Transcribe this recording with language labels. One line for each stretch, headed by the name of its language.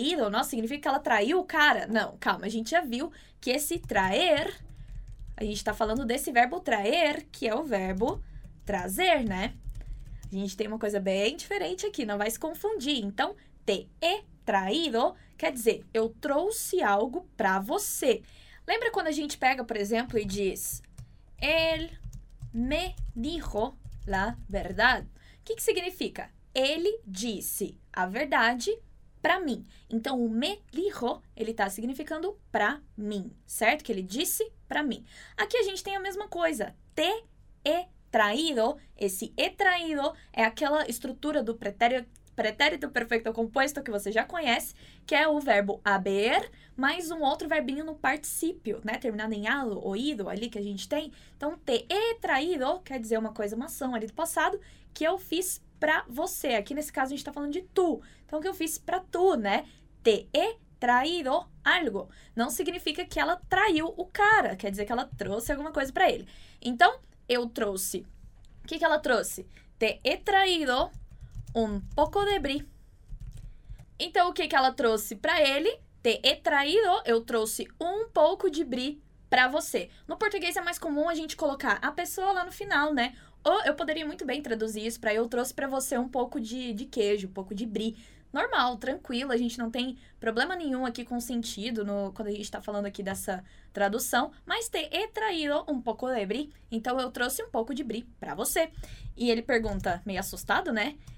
Portuguese: Nossa, significa que ela traiu o cara? Não, calma, a gente já viu que esse traer, a gente tá falando desse verbo traer, que é o verbo trazer, né? A gente tem uma coisa bem diferente aqui, não vai se confundir. Então,
Spanish: te he traído
Portuguese: quer dizer, eu trouxe algo pra você. Lembra quando a gente pega, por exemplo, e diz,
Spanish: él me dijo la verdad.
Portuguese: O que significa? Ele disse a verdade pra mim. Então, o me dijo, ele tá significando pra mim, certo? Que ele disse pra mim. Aqui a gente tem a mesma coisa.
Spanish: Te he traído.
Portuguese: Esse he traído é aquela estrutura do pretérito perfeito composto que você já conhece, que é o verbo haber, mais um outro verbinho no particípio, né? Terminado em ado, oído, ali que a gente tem. Então,
Spanish: te he traído
Portuguese: quer dizer uma coisa, uma ação ali do passado, que eu fiz pra você. Aqui nesse caso, a gente tá falando de tu. Então, o que eu fiz pra tu, né?
Spanish: Te he traído algo.
Portuguese: Não significa que ela traiu o cara. Quer dizer que ela trouxe alguma coisa pra ele. Então, eu trouxe. O que que ela trouxe?
Spanish: Te he traído un poco de brie.
Portuguese: Então, o que que ela trouxe pra ele?
Spanish: Te he traído,
Portuguese: eu trouxe um pouco de brie pra você. No português é mais comum a gente colocar a pessoa lá no final, né? Ou eu poderia muito bem traduzir isso pra eu trouxe pra você um pouco de queijo, um pouco de brie. Normal, tranquilo, a gente não tem problema nenhum aqui com sentido no, quando a gente tá falando aqui dessa tradução.
Spanish: Mas te he traído un poco de brie.
Portuguese: Então eu trouxe um pouco de brie pra você. E ele pergunta, meio assustado, né?